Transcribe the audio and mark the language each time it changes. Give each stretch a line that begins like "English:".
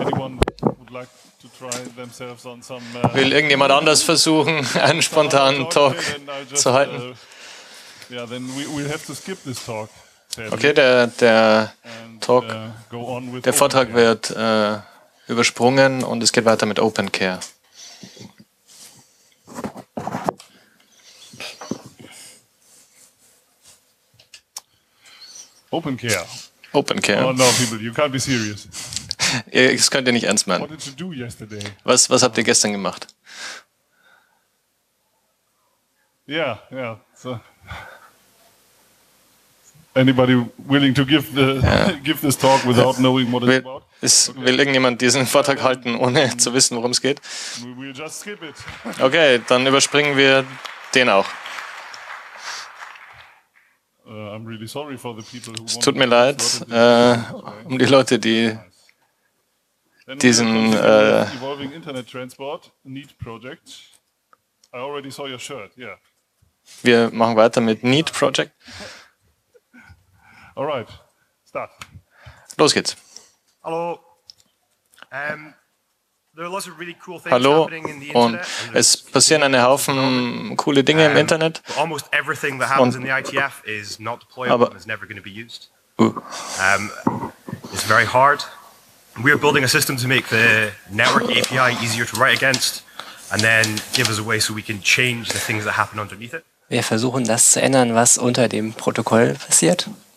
English: Anyone would like to try themselves on some,
German: will irgendjemand anders versuchen, einen spontanen Talk zu halten?
English: Yeah, then we have to skip this talk,
German: okay, der Vortrag wird übersprungen und es geht weiter mit Open Care.
English: Open Care. Open Care. Oh no, people, you can't be serious.
German: Das könnt ihr nicht ernst meinen. Was habt ihr gestern gemacht? Ja, ja. So.
English: Anybody willing to give the give this talk without knowing what it's about?
German: Will irgendjemand diesen Vortrag halten, ohne zu wissen, worum es geht?
English: We'll just skip it.
German: Okay, dann überspringen wir den auch. Es tut mir leid, um die Leute, die diesen
English: Evolving Internet Transport Neat Project. I already saw your shirt, yeah.
German: Wir machen weiter mit Neat Project.
English: Alright, start.
German: Los geht's. Hallo.
English: There are lots of really cool things happening in the internet.
German: Und es passieren eine Haufen coole Dinge im Internet.
English: Almost everything that happens in the ITF is not deployable and is never going to be used. It's very hard. We are building a system to make the network API easier to write against and then give us a way so we can change the things that happen underneath it.
German: Wir versuchen das zu ändern, was unter dem Protokoll passiert.